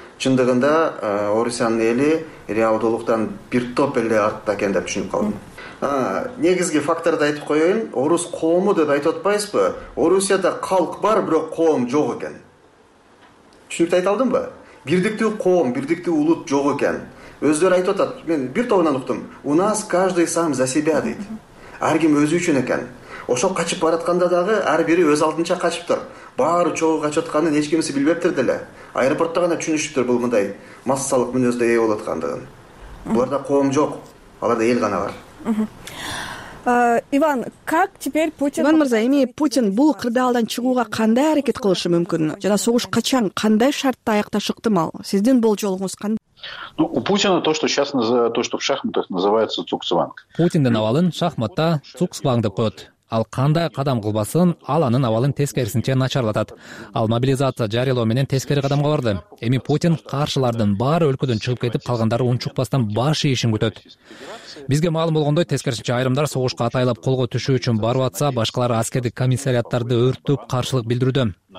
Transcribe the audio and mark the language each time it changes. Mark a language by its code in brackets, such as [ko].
[ky] Чындыгында Орусиянын эли реалдуулуктан бир топ эле артта экен деп түшүнүп калдым. Негизги факторду айтып коеюн, орус коому деп айтып атпайсызбы? Орусияда калк бар, бирок коом жок экен. Түшүнүктү айта алдымбы? Бирдиктүү коом, бирдиктүү улут жок экен. Өздөрү айтып атат, мен бир тобунан уктум. [ru] У нас каждый сам за себя [ky] дейт. Ар ким өзү үчүн экен. Ошол качып баратканда дагы ар бири өз алдынча качыптыр. Баары чогуу качып атканын эч кимиси билбептир деле. Аэропортто гана түшүнүштүр бул мындай массалык мүнөздө ээ болуп аткандыгын. Буларда коом жок, аларда эл гана бар. [ru] Иван, как теперь Путин... [ky] Иван мырза, эми Путин бул кырдаалдан чыгууга кандай аракет кылышы мүмкүн? Жана согуш качан, кандай шартта аяктанышты мал? Сиздин болжолуңуз кандай? [ru] Ну, у Путина то, что в шахматах называется цугцванг. [ky] Путиндин абалын шахматта цугцванг деп коет. Ал кандай кадам кылбасын, ал анын абалын тескерисинче начарлатат. Ал мобилизация жарыялоо менен тескери кадамга барды. Эми Путин каршылардын баары өлкөдөн чыгып кетип, калгандары унчукпастан баш ийишин күтөт. Бизге маалым болгондой, тескерисинче айрымдар согушка атайлап колго түшүү үчүн барып атса, башкалары аскердик комиссариаттарды өрттүп каршылык билдирүүдө.